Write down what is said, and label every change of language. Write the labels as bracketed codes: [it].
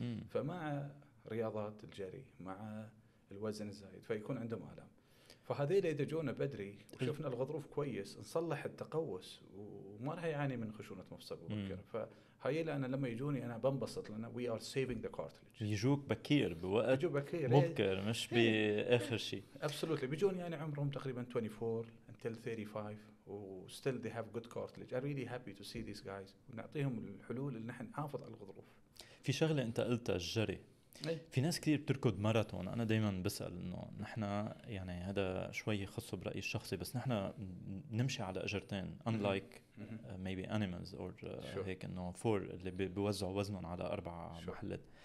[ar] فمع رياضات الجري مع الوزن الزايد فيكون عندهم آلام. فهذه اللي إذا جونا بدري وشفنا الغضروف كويس نصلح التقوس وما رح يعاني من خشونة مفصل مبكرة. فهي لأن لما يجوني أنا بنبسط لأن [en] we are saving the cartilage. [ar] يجوك بكير بوقت بكير. مبكر مش بآخر شيء. [en] Absolutely. [ar] بيجوني يعني عمرهم تقريبا [en] 24 until 35 وstill they have good cartilage. I really happy to see these guys. [ar] ونعطيهم الحلول اللي نحن نحافظ على الغضروف. في شغلة أنت قلتها الجري. في ناس كتير بتركض ماراثون. أنا دايما بسأل إنه نحنا يعني هذا شوي خاص برأيي الشخصي بس نحنا نمشي على أجرتين [en] unlike maybe animals [ar] or هيك إنه four اللي بيوزعوا وزنهم على 4 محلات.